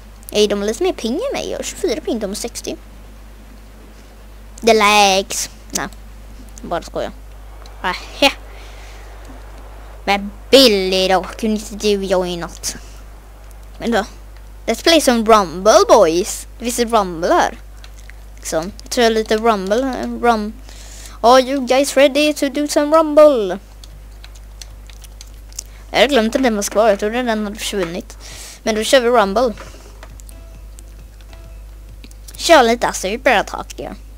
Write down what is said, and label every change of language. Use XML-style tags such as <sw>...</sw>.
<sv>Ej, de har lite mer ping än mig. Jag har 24 ping, de har 60.</sv> <en>The legs.</en> <sv>Nej, bara skojar. Ahe. Men Billy då, kunde inte du joinat. Men då.</sv> <en>Let's play some Rumble boys.</en> <sv>Visst är Rumble här. Liksom. Jag tror jag är lite rumble.</sv> <en>Are you guys ready to do some rumble?</en> <sv>Jag glömde den var kvar. Jag trodde den hade försvunnit. Men då kör vi rumble. Kör lite superattacker.</sv>